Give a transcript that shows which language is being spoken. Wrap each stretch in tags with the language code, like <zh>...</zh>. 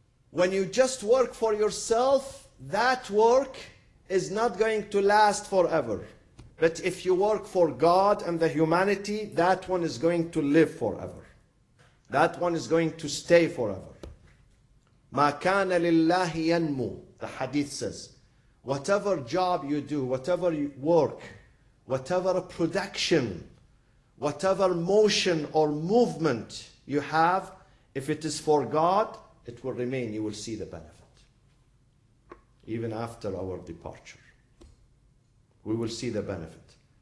<en>When you just work for yourself, that work is not going to last forever. But if you work for God and the humanity, that one is going to live forever. That one is going to stay forever.</en> <ar>مَا كَانَ لِلَّهِ يَنْمُو,</ar> <en>the hadith says. Whatever job you do, whatever work, whatever production, whatever motion or movement you have, if it is for God, it will remain. You will see the benefit. Even after our departure, we will see the benefit.</en>